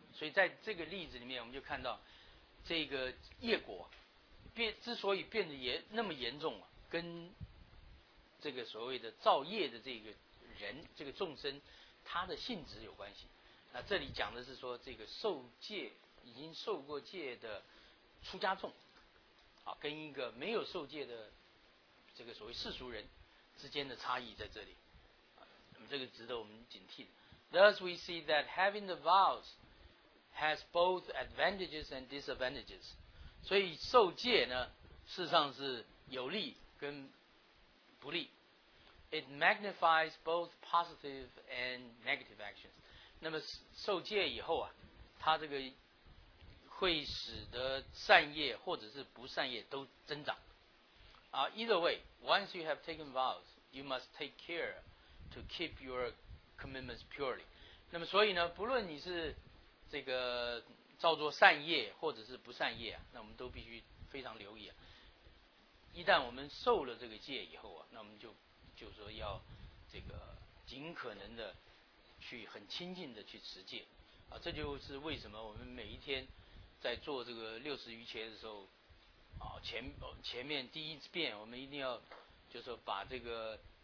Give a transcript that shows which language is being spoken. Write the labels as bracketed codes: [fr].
[zh] 所以在这个例子里面我们就看到这个业果之所以变得那么严重、啊、跟这个所谓的造业的这个人这个众生他的性质有关系。那这里讲的是说这个受戒已经受过戒的出家众啊，跟一个没有受戒的这个所谓世俗人之间的差异在这里、啊、那么这个值得我们警惕的。 [en] Thus we see that having the vows has both advantages and disadvantages. [zh] 所以受戒呢事实上是有利跟不利。 [en] It magnifies both positive and negative actions. [zh] 那么受戒以后啊，它这个会使得善业或者是不善业都增长。 [en] Either way, once you have taken vows, you must take care to keep your commitments purely. [zh] 那么所以呢，不论你是这个造作善业或者是不善业啊，那我们都必须非常留意啊。一旦我们受了这个戒以后啊，那我们就说要这个尽可能的去很清净的去持戒啊，这就是为什么我们每一天在做这个60余切的时候啊，前面第一遍我们一定要就是说把这个